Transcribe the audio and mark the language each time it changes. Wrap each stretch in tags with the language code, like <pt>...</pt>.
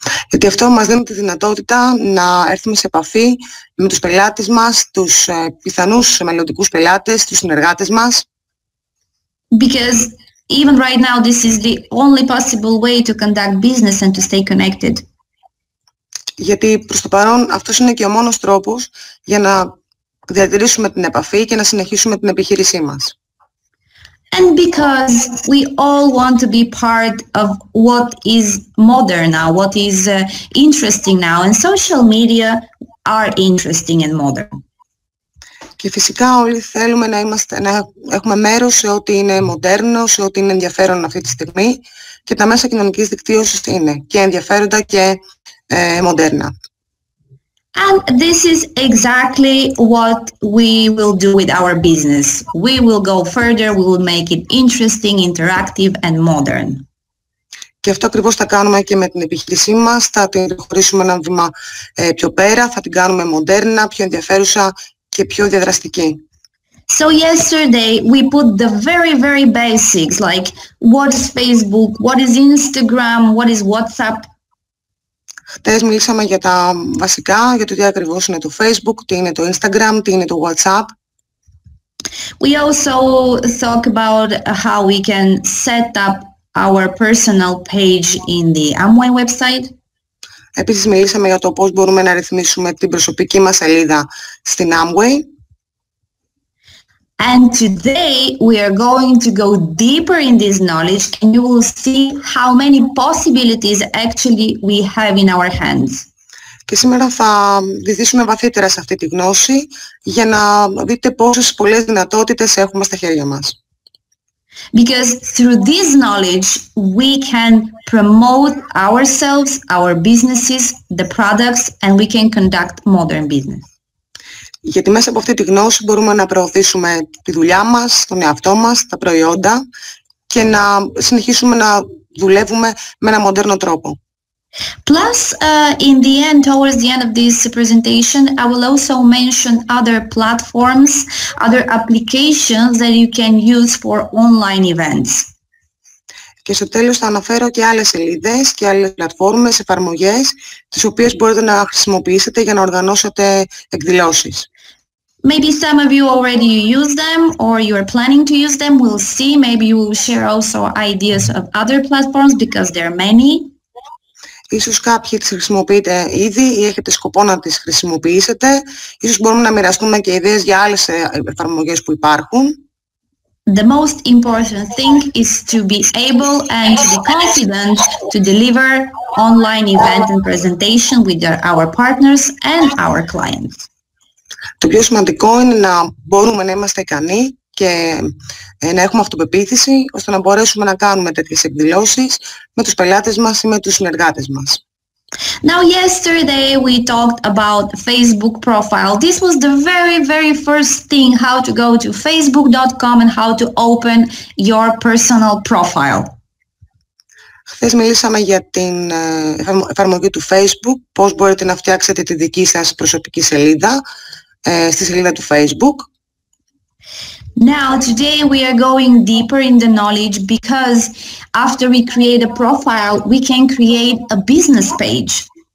<el>Γιατί αυτό μας δίνει τη δυνατότητα να έρθουμε σε επαφή με τους πελάτες μας, τους πιθανούς μελλοντικούς πελάτες, τους συνεργάτες μας.</el> <en>Because even right now this is the only possible way to conduct business and to stay connected.</en> <el>Γιατί προς το παρόν αυτός είναι και ο μόνος τρόπος για να διατηρήσουμε την επαφή και να συνεχίσουμε την επιχείρησή μας.</el> <en>And because we all want to be part of what is modern now, what is interesting now, and social media are interesting and modern.</en> <el>Και φυσικά όλοι θέλουμε να είμαστε, να έχουμε μέρος σε ό,τι είναι μοντέρνο, σε ό,τι είναι ενδιαφέρον αυτή τη στιγμή, και τα μέσα κοινωνικής δικτύωσης είναι και ενδιαφέροντα και μοντέρνα.</el> <en>And this is exactly what we will do with our business. We will go further, we will make it interesting, interactive and modern.</en> <el>Και αυτό ακριβώς θα κάνουμε και με την επιχείρησή μας. Θα την χωρίσουμε ένα βήμα πιο πέρα, θα την κάνουμε μοντέρνα, πιο ενδιαφέρουσα και πιο διαδραστική.</el> <en>So yesterday we put the very, very basics, like what is Facebook, what is Instagram, what is WhatsApp.</en> <el>Χτες μιλήσαμε για τα βασικά, για το τι ακριβώς είναι το Facebook, τι είναι το Instagram, τι είναι το WhatsApp.</el> <en>We also talk about how we can set up our personal page in the Amway website.</en> <el>Επίσης μιλήσαμε για το πώς μπορούμε να ρυθμίσουμε την προσωπική μας σελίδα στην Amway.</el> <en>And today we are going to go deeper in this knowledge and you will see how many possibilities actually we have in our hands.</en> <el>Και σήμερα θα διδύσουμε βαθύτερα σε αυτή τη γνώση για να δείτε πόσες πολλές δυνατότητες έχουμε στα χέρια μας.</el> <en>Because through this knowledge we can promote ourselves, our businesses, the products and we can conduct modern business.</en> <el>Γιατί μέσα από αυτή τη γνώση μπορούμε να προωθήσουμε τη δουλειά μας, τον εαυτό μας, τα προϊόντα και να συνεχίσουμε να δουλεύουμε με ένα μοντέρνο τρόπο.</el> <en>Plus, in the end, towards the end of this presentation, I will also mention other platforms, other applications that you can use for online events.</en> <el>Και στο τέλος θα αναφέρω και άλλες σελίδες και άλλες πλατφόρμες, εφαρμογές, τις οποίες μπορείτε να χρησιμοποιήσετε για να οργανώσετε εκδηλώσεις.</el> <en>Maybe some of you already use them or you are planning to use them. We'll see. Maybe you will share also ideas of other platforms because there are many.</en> <el>Ίσως κάποιοι τις χρησιμοποιείτε ήδη ή έχετε σκοπό να τις χρησιμοποιήσετε. Ίσως μπορούμε να μοιραστούμε και ιδέες για άλλες εφαρμογές που υπάρχουν.</el> <en>The most important thing is to be able and to be confident to deliver online event and presentation with our partners and our clients.</en> <el>Το πιο σημαντικό είναι να μπορούμε να είμαστε ικανοί και να έχουμε αυτοπεποίθηση ώστε να μπορέσουμε να κάνουμε τέτοιες εκδηλώσεις με τους πελάτες μας ή με τους συνεργάτες μας.</el> <en>Now yesterday we talked about Facebook profile. This was the very, very first thing, how to go to facebook.com and how to open your personal profile.</en> <el>Χθες μιλήσαμε για την εφαρμογή του Facebook, πώς μπορείτε να φτιάξετε τη δική σας προσωπική σελίδα στη σελίδα του Facebook.</el> <en>Now today we are going deeper in the knowledge because after we create a profile we can create a business page.</en>